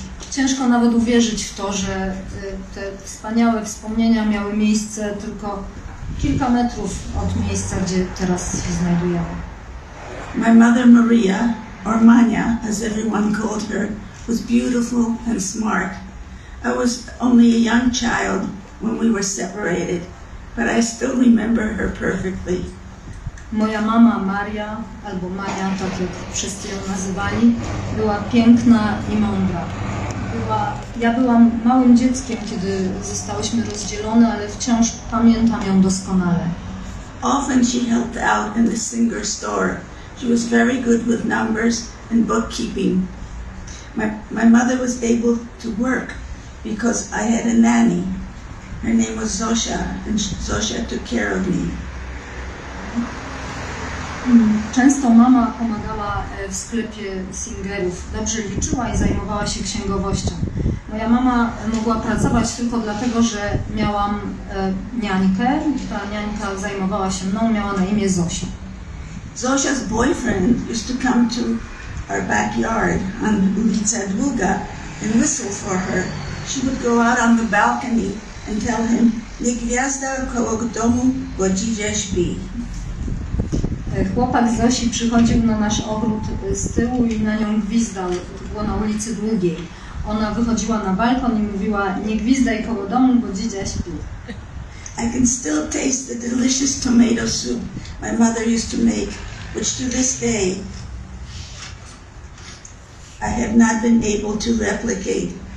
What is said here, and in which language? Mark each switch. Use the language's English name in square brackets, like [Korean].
[Polish] Ciężko nawet uwierzyć w to, że te wspaniałe wspomnienia miały miejsce tylko kilka metrów od miejsca, gdzie teraz się znajdujemy. [English] My mother Maria, or Mania, as everyone called her, was beautiful and smart. I was only a young child when we were separated, but I still remember her perfectly. [Polish] Moja mama Maria, albo Maria, tak jak wszyscy ją nazywali, była piękna i mądra. Ja byłam małym dzieckiem, kiedy zostałyśmy rozdzielone, ale wciąż pamiętam ją doskonale. [English] Often she helped out in the Singer store. She was very good with numbers and bookkeeping. My mother was able to work because I had a nanny. Her name was Zosia and Zosia took care of me. [Polish] Często mama pomagała w sklepie Singerów. Dobrze liczyła i zajmowała się księgowością. Moja mama mogła pracować tylko dlatego, że miałam niańkę. Ta niańka zajmowała się mną, miała na imię Zosia. [English] Zosia's boyfriend used to come to our backyard on ulica Długa and whistle for her. She would go out on the balcony and tell him, [Polish] "Nie gwiazda koło domu, bo dzidzie śpi." Chłopak Zosi przychodził na nasz ogród z tyłu i na nią gwizdał. To było na ulicy Długiej. Ona wychodziła na balkon i mówiła: "Nie gwizdaj koło domu, bo dzidzia śpi." [English] I can still taste the delicious tomato soup my mother used to make, which to this day I have not been able to replicate.